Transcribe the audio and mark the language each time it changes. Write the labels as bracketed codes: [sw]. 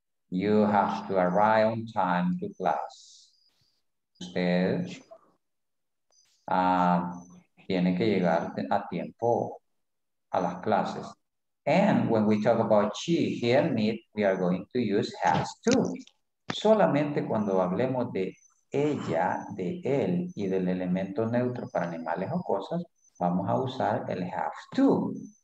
[en] You have to arrive on time to class. [es] Usted tiene que llegar a tiempo a las clases. [en] And when we talk about she, he, and it, we are going to use has to. [es] Solamente cuando hablemos de ella, de él y del elemento neutro para animales o cosas, vamos a usar el have to.